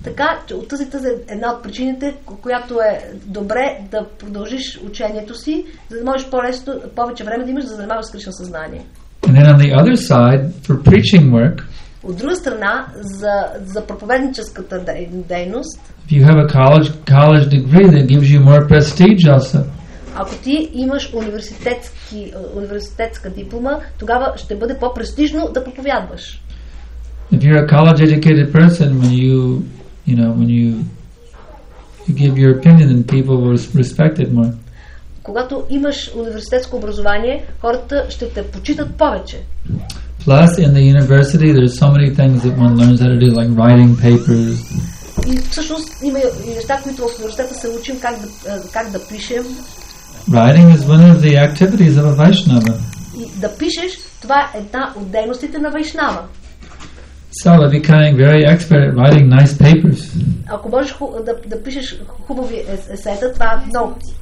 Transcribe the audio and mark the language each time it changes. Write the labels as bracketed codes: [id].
[bg] Така, че от тази една от причините, която е добре да продължиш учението си, за да можеш повече време да имаш да занимаваш с Кришна съзнание. [en] And then on the other side, for preaching work, [bg] от друга страна, за проповедническата дейност, [en] if you have a college degree, that gives you more prestige also. [bg] Ако ти имаш университетска диплома, тогава ще бъде по-престижно да проповядваш. [en] If you're a college educated person, when you give your opinion, then people will respect it more. [bg] Когато имаш университетско образование, хората ще те почитат повече. [en] Plus in the university there's so many things that one learns how to do, like writing papers. [bg] И всъщност има и неща, които в университета се учим как да пишем. [en] Writing is one of the activities of a Vaishnava. [bg] И да пишеш, това е една от дейностите на Вайшнава. [en] So by becoming very expert at writing nice papers. [bg] Ако можеш да пишеш хубави есета, това е много.